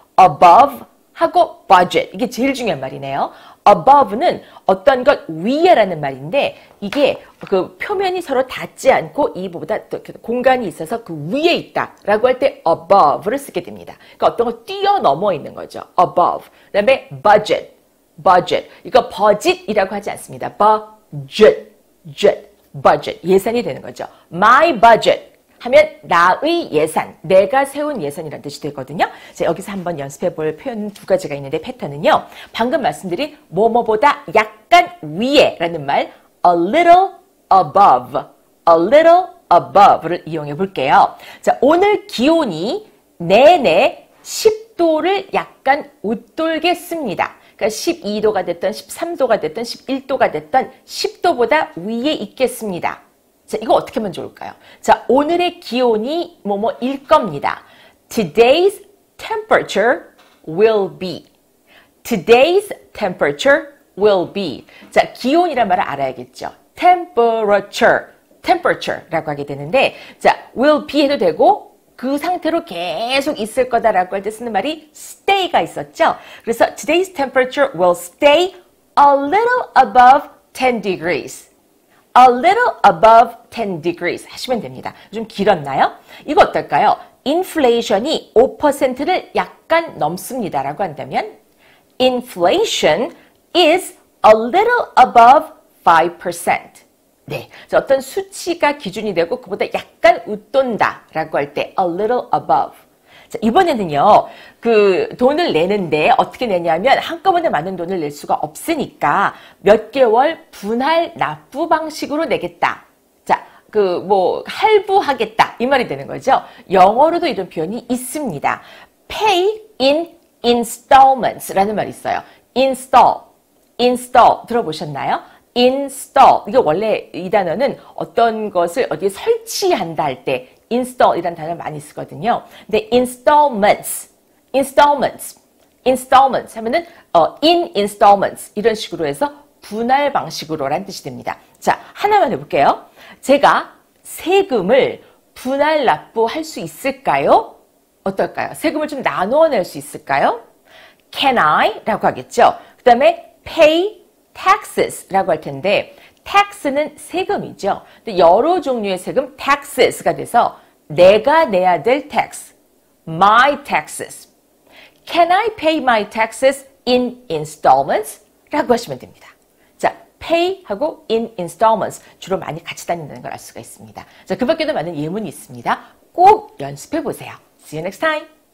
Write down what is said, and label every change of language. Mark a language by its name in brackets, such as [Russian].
[Korean] above, 하고 budget, 이게 제일 중요한 말이네요. above는 어떤 것 위에라는 말인데 이게 그 표면이 서로 닿지 않고 이보다 공간이 있어서 그 위에 있다라고 할 때 above를 쓰게 됩니다. 그러니까 어떤 거 뛰어넘어 있는 거죠. above, 그 다음에 budget, budget. 이거 budget이라고 하지 않습니다. budget, budget, budget, 예산이 되는 거죠. my budget 하면 나의 예산, 내가 세운 예산이라는 뜻이 되거든요. 자, 여기서 한번 연습해 볼 표현 두 가지가 있는데 패턴은요. 방금 말씀드린 뭐뭐보다 약간 위에 라는 말 a little above, a little above 를 이용해 볼게요. 자, 오늘 기온이 내내 10도를 약간 웃돌게 씁니다. 그러니까 12도가 됐든 13도가 됐든 11도가 됐든 10도보다 위에 있겠습니다. 자, 이거 어떻게 하면 좋을까요? 자, 오늘의 기온이 뭐뭐일 겁니다. [English] Today's temperature will be. Today's temperature will be. [Korean] 자, 기온이란 말을 알아야겠죠. Temperature, temperature라고 하게 되는데 자, will be 해도 되고 그 상태로 계속 있을 거다라고 할 때 쓰는 말이 stay가 있었죠. [English] 그래서 today's temperature will stay a little above 10 degrees. A little above 10 degrees 하시면 됩니다. [Korean] 좀 길었나요? 이거 어떨까요? 인플레이션이 5%를 약간 넘습니다 라고 한다면 Inflation is a little above 5%. 네, 어떤 수치가 기준이 되고 그보다 약간 웃돈다 라고 할 때 A little above. 자, 이번에는요, 그 돈을 내는데 어떻게 내냐면 한꺼번에 많은 돈을 낼 수가 없으니까 몇 개월 분할 납부 방식으로 내겠다. 자, 그 뭐 할부하겠다 이 말이 되는 거죠. 영어로도 이런 표현이 있습니다. Pay in installments 라는 말이 있어요. Install, install 들어보셨나요? Install, 이게 원래 이 단어는 어떤 것을 어디에 설치한다 할 때 install 이란 단어를 많이 쓰거든요. 근데 installments, installments, installments 하면은 in installments 이런 식으로 해서 분할 방식으로란 뜻이 됩니다. 자, 하나만 해볼게요. 제가 세금을 분할 납부할 수 있을까요? 어떨까요? 세금을 좀 나누어 낼 수 있을까요? Can I? 라고 하겠죠. 그 다음에 pay taxes 라고 할 텐데 tax는 세금이죠. 근데 여러 종류의 세금 taxes가 돼서 내가 내야 될 tax, my taxes. [English] Can I pay my taxes in installments? [Korean] 라고 하시면 됩니다. 자, pay하고 in installments 주로 많이 같이 다닌다는 걸 알 수가 있습니다. 자, 그 밖에도 많은 예문이 있습니다. 꼭 연습해 보세요. See you next time.